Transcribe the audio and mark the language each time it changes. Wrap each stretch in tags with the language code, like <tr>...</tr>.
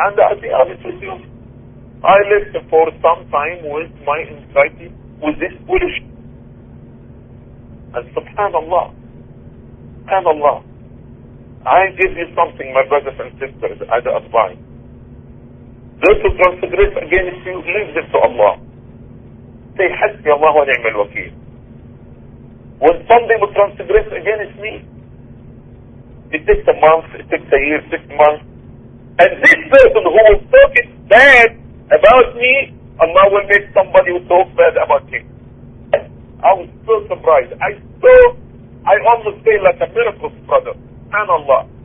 <en>And I'll be honest with you, I lived for some time with my anxiety with this foolish. And subhanAllah, I give you something, my brothers and sisters, as advice. Those who transgress against you, leave them to Allah. Say,</en> <ar>حَسْبِيَ اللَّهُ وَنِعْمَ الْوَكِيلُ.</ar> <en>When somebody will transgress against me, it takes a month, it takes a year, 6 months. And this person who will talk bad about me, Allah will make somebody who talks bad about him. I was so surprised. I almost feel like a miracle, brother. And Allah.</en>